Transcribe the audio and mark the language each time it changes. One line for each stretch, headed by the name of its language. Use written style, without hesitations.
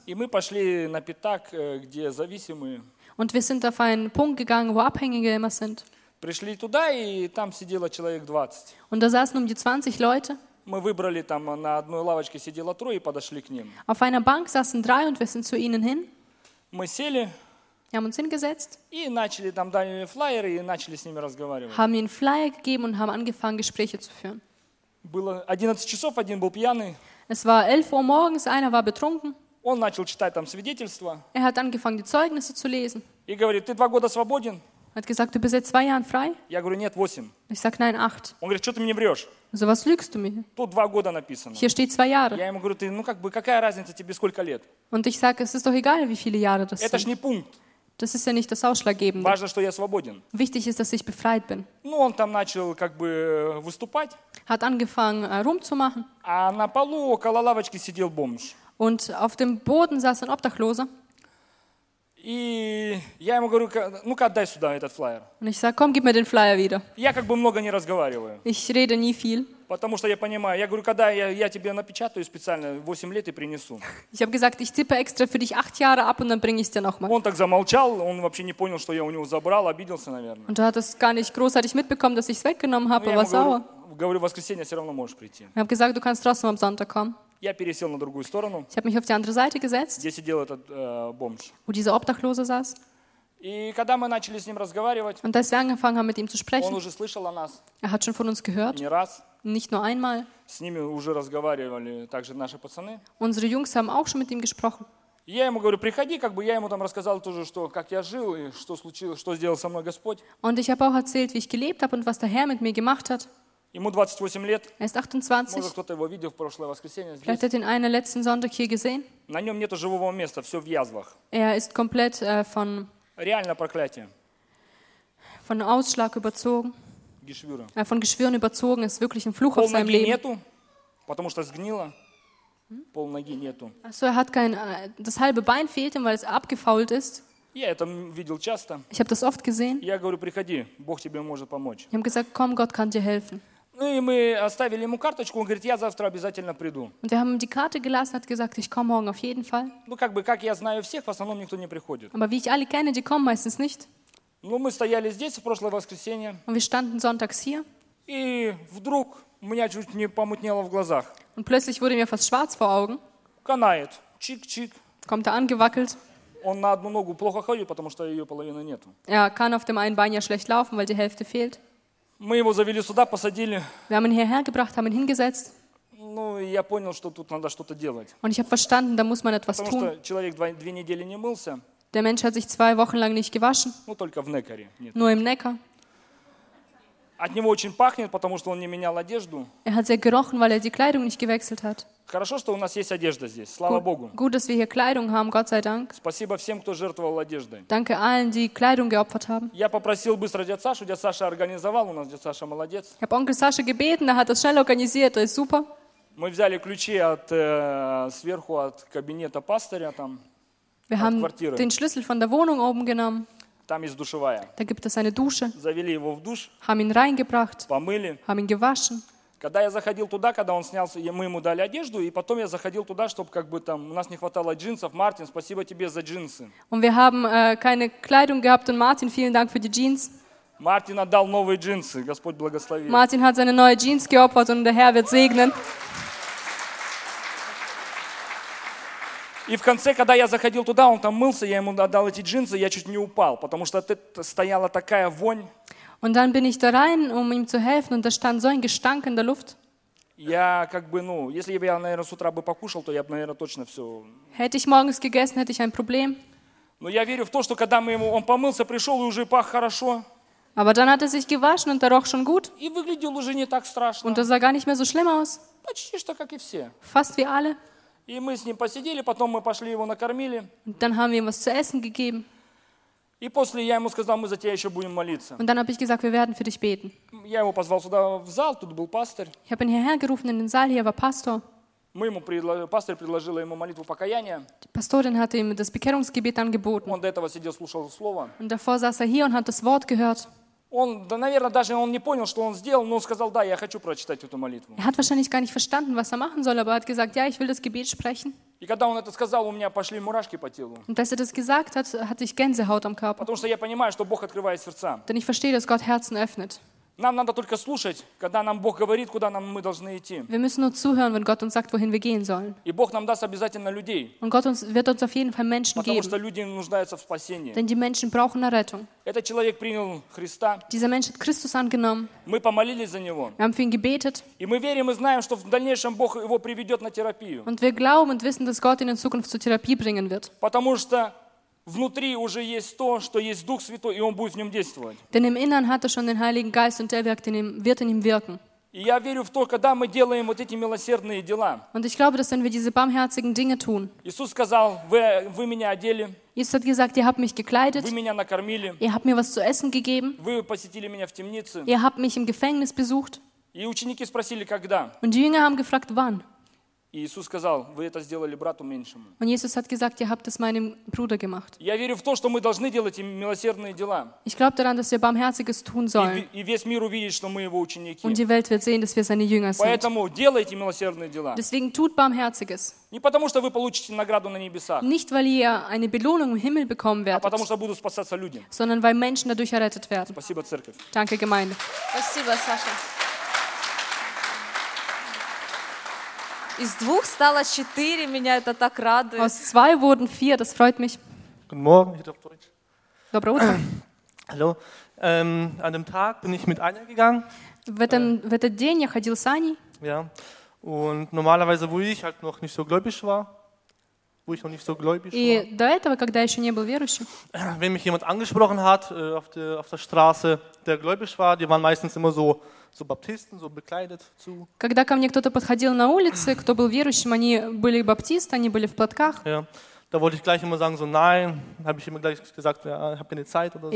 Russian: И мы пошли на пятак, где зависимые.
German: Und wir sind auf einen Punkt gegangen, wo Abhängige immer sind.
Russian: Пришли туда, и там сидело человек 20.
German: Und da saßen um die 20 Leute.
Russian: Мы выбрали там, на одной лавочке сидело трое, и подошли к ним.
German: Auf einer Bank saßen drei und wir sind zu ihnen hin.
Russian: Мы сели.
German: Wir haben uns hingesetzt.
Russian: И начали там, дали мне флайеры, и начали с ними разговаривать.
German: Haben ihnen Flyer gegeben und haben angefangen, Gespräche zu führen.
Russian: Было 11 часов, один был пьяный.
German: Es war 11 Uhr morgens, einer war betrunken.
Russian: Он начал читать там свидетельства.
German: Er hat angefangen, die Zeugnisse zu lesen.
Russian: И говорит, ты два года свободен?
German: Er hat gesagt, du bist seit zwei Jahren frei?
Russian: Я говорю, нет, 8.
German: Ich sag, nein, 8.
Russian: Он говорит, что ты мне врешь? За
German: was lügst du mir?
Russian: Тут два года написано.
German: Hier steht zwei Jahre.
Russian: Я ему говорю, ты, ну как бы, какая разница тебе, сколько лет?
German: Und ich sag, es ist doch egal, wie viele Jahre das
Russian: Это
German: sind.
Russian: Ж не пункт.
German: Das ist ja nicht das Ausschlaggebende.
Russian: Важно, что я свободен.
German: Wichtig ist, dass ich befreit bin.
Russian: Ну, он там начал как бы выступать.
German: Hat angefangen, rumzumachen.
Russian: А на полу около лавочки сидел бомж.
German: Und auf dem Boden saß ein Obdachloser.
Russian: И я ему говорю, ну-ка, отдай сюда этот флайер.
German: Und ich sag, komm, gib mir den Flyer wieder.
Russian: Я как бы много не разговариваю.
German: Ich rede nie viel.
Russian: Потому что я понимаю. Я говорю, когда я тебе напечатаю специально 8 лет и принесу.
German: Ich habe gesagt, ich tippe extra für dich 8 Jahre ab und dann bringe ich es dir nochmal.
Russian: Он так замолчал, он вообще не понял, что я у него забрал, обиделся, наверное.
German: Und er hat es gar nicht großartig mitbekommen, dass ich es weggenommen habe, aber sauer.
Russian: Говорю, в воскресенье все равно можешь прийти.
German: Ich habe gesagt, du kannst trotzdem am Sonntag kommen.
Russian: Я пересел на другую сторону.
German: Ich habe mich auf die andere Seite gesetzt.
Russian: Где сидел этот бомж.
German: Wo dieser Obdachlose saß.
Russian: И когда мы начали с ним разговаривать.
German: Und als wir angefangen haben, mit ihm zu sprechen.
Russian: Он уже слышал о нас.
German: Er hat schon von uns gehört.
Russian: Не раз.
German: Nicht nur einmal.
Russian: С ними уже разговаривали также наши пацаны.
German: Unsere Jungs haben auch schon mit ihm gesprochen.
Russian: Я ему говорю, приходи, как бы я ему там рассказал тоже, что, как я жил и что случилось, что сделал со мной Господь.
German: Und ich habe auch erzählt, wie ich gelebt habe und was der Herr mit mir gemacht hat.
Russian: Ему 28 лет.
German: Er ist 28.
Russian: Может, кто-то его видел в прошлое воскресенье здесь.
German: Vielleicht hat ihn einer letzten Sonntag hier gesehen.
Russian: На нем нету живого места, все в язвах.
German: Er ist komplett von...
Russian: Реально проклятие.
German: Von Ausschlag überzogen. Geschwüre. Von Geschwüren überzogen, ist wirklich ein Fluch
Russian: Пол
German: auf seinem
Russian: ноги
German: Leben.
Russian: Нету, потому что сгнило. Hm? Пол ноги нету.
German: Also er hat kein... Das halbe Bein fehlt ihm, weil es abgefault ist.
Russian: Я это видел часто.
German: Ich habe das oft gesehen.
Russian: Я говорю, приходи, Бог тебе может помочь.
German: Ich habe gesagt, komm, Gott kann dir helfen.
Russian: Ну и мы оставили ему карточку, он говорит, я завтра обязательно приду.
German: Und wir haben ihm die Karte gelassen, hat gesagt, ich komme morgen auf jeden Fall.
Russian: Ну как бы, как я знаю всех, в основном никто не приходит.
German: Aber wie ich alle kenne, die kommen meistens nicht.
Russian: Ну мы стояли здесь в прошлое воскресенье.
German: Und wir standen sonntags hier.
Russian: И вдруг у меня чуть не помутнело в глазах.
German: Und plötzlich wurde mir fast schwarz vor Augen.
Russian: Канает, чик-чик.
German: Kommt er angewackelt.
Russian: Он на одну ногу плохо ходит, потому что ее половины нету.
German: Er kann auf dem einen Bein ja schlecht laufen, weil die Hälfte fehlt.
Russian: Мы его завели сюда, посадили.
German: Wir haben ihn hierher gebracht, haben ihn hingesetzt.
Russian: Ну, я понял, что тут надо что-то делать.
German: Und ich habe verstanden, da muss man etwas
Russian: Потому
German: tun.
Russian: Потому что человек две недели не мылся.
German: Der Mensch hat sich zwei Wochen lang nicht gewaschen.
Russian: Ну, только в Неккаре.
German: Nur im Neckar.
Russian: От него очень пахнет, потому что он не менял одежду.
German: Er hat sehr gerochen, weil er die Kleidung nicht gewechselt hat.
Russian: Хорошо, что у нас есть одежда здесь. Слава Богу.
German: Gut, dass wir hier Kleidung haben, Gott sei Dank.
Russian: Спасибо всем, кто жертвовал одеждой.
German: Danke allen, die Kleidung geopfert haben.
Russian: Я попросил быстро дядю Сашу, дядя Саша организовал, у нас дядя Саша молодец.
German: Ich habe Onkel Sascha gebeten, er hat das schnell organisiert, das ist super.
Russian: Мы взяли ключи от сверху от кабинета пастора там.
German: Wir
Russian: от
German: haben
Russian: квартиры.
German: Den Schlüssel von der Wohnung oben genommen.
Russian: Там есть душевая.
German: Da gibt es eine Dusche.
Russian: Завели его в душ.
German: Haben ihn reingebracht.
Russian: Помыли.
German: Haben ihn gewaschen.
Russian: Когда я заходил туда, когда он снялся, мы ему дали одежду, и потом я заходил туда, чтобы как бы там у нас не хватало джинсов. Мартин, спасибо тебе за джинсы.
German: Und wir haben keine Kleidung gehabt und Martin, vielen Dank für die Jeans.
Russian: Мартин отдал новые джинсы, Господь благословит.
German: Martin hat seine neue Jeans geopfert und der Herr wird segnen.
Russian: И в конце, когда я заходил туда, он там мылся, я ему отдал эти джинсы, я чуть не упал, потому что стояла такая вонь.
German: Und dann bin ich da rein, um ihm zu helfen, und da stand so ein Gestank in der Luft.
Russian: Я как бы, ну, если бы я, наверное, с утра бы покушал, то я бы, наверное, точно все...
German: Hätte ich morgens gegessen, hätte ich ein Problem.
Russian: Но я верю в то, что когда мы ему, он помылся, пришел и уже пах хорошо.
German: Aber dann hat er sich gewaschen und er roch schon gut.
Russian: И выглядел уже не так страшно.
German: Und er sah gar nicht mehr so schlimm aus.
Russian: Почти что, как и все.
German: Fast wie alle.
Russian: И мы с ним посидели, потом мы пошли его накормили.
German: Und dann haben wir ihm was zu essen gegeben.
Russian: И после я ему сказал, мы за тебя еще будем молиться.
German: Und dann habe ich gesagt, wir werden für dich beten.
Russian: Я его позвал сюда в зал, тут был пастор.
German: Ich habe ihn hierher gerufen in den Saal, hier war Pastor.
Russian: Мы ему пастор предложил ему молитву покаяния.
German: Die Pastorin hat ihm das Bekehrungsgebet angeboten.
Russian: Он до этого сидел, слушал слово.
German: Und davor saß er hier und hat das Wort gehört.
Russian: Он, да, наверное, даже он не понял, что он сделал, но он сказал: "Да, я хочу прочитать эту молитву".
German: Er hat wahrscheinlich gar nicht verstanden, was er machen soll, aber er hat gesagt: "Ja, ich will das Gebet sprechen".
Russian: И когда он это сказал, у меня пошли мурашки по телу.
German: Und als er das gesagt hat, hatte ich Gänsehaut am Körper.
Russian: Потому что я понимаю, что Бог открывает сердца.
German: Denn ich verstehe, dass Gott Herzen öffnet.
Russian: Нам надо только слушать, когда нам Бог говорит, куда нам мы должны идти.
German: Wir müssen nur zuhören, wenn Gott uns sagt, wohin wir gehen sollen.
Russian: И Бог нам даст обязательно людей.
German: Und Gott wird uns auf jeden Fall Menschen
Russian: потому
German: geben.
Russian: Потому что люди нуждаются в спасении.
German: Denn die Menschen brauchen Errettung.
Russian: Этот человек принял Христа.
German: Dieser Mensch hat Christus angenommen.
Russian: Мы помолились за него.
German: Wir haben für ihn gebetet.
Russian: И мы верим и знаем, что в дальнейшем Бог его приведет на терапию.
German: Und wir glauben und wissen, dass Gott ihn in Zukunft zur Therapie bringen wird.
Russian: Потому что внутри уже есть то, что есть Дух Святой, и Он будет в нем действовать.
German: Denn im Inneren hat er schon den Heiligen Geist und der wird in ihm wirken.
Russian: И я верю в то, когда мы делаем вот эти милосердные дела.
German: Und ich glaube, dass wenn wir diese barmherzigen Dinge tun.
Russian: Иисус сказал: «Вы меня одели».
German: Jesus hat gesagt, ihr habt mich gekleidet.
Russian: Вы меня накормили.
German: Ihr habt mir was zu essen gegeben.
Russian: Вы посетили меня в темнице.
German: Ihr habt mich im Gefängnis besucht.
Russian: И ученики спросили, когда.
German: Und die Jünger haben gefragt, wann.
Russian: И Иисус сказал: «Вы это сделали брату меньшему».
German: Und Jesus hat gesagt, ihr habt es meinem Bruder gemacht.
Russian: Я верю в то, что мы должны делать милосердные дела.
German: Ich glaube daran, dass wir Barmherziges tun sollen.
Russian: И весь мир увидит, что мы его ученики.
German: Und die Welt wird sehen, dass wir seine Jünger sind.
Russian: Поэтому делайте милосердные дела.
German: Deswegen tut Barmherziges.
Russian: Не потому, что вы получите награду на небесах.
German: Nicht weil ihr eine Belohnung im Himmel bekommen werdet.
Russian: А потому, что будут спасаться люди.
German: Sondern weil Menschen dadurch errettet werden.
Russian: Спасибо, церковь.
German: Danke, Gemeinde.
Russian: Спасибо, Саша. Из двух стало четыре, меня это так радует.
German: Aus zwei wurden vier, das freut mich. Guten Morgen, ich bin auf Deutsch.
Russian: Доброе утро.
German: Hallo. An dem Tag bin ich mit Anja gegangen.
Russian: В этот день я ходил с Аней.
German: Ja. Und normalerweise, wo ich halt noch nicht so gläubig war, wo ich noch nicht so gläubig
Russian: и
German: war.
Russian: И до этого, когда я еще не был верующим.
German: Wenn mich jemand angesprochen hat auf der Straße, der gläubig war, die waren meistens immer so. So Baptisten, so bekleidet, so.
Russian: Когда ко мне кто-то подходил на улице, кто был верующим, они были баптисты, они были в платках.
German: Ja, da wollte ich gleich immer sagen so nein, habe ich immer gleich gesagt, ja, ich habe keine Zeit oder so.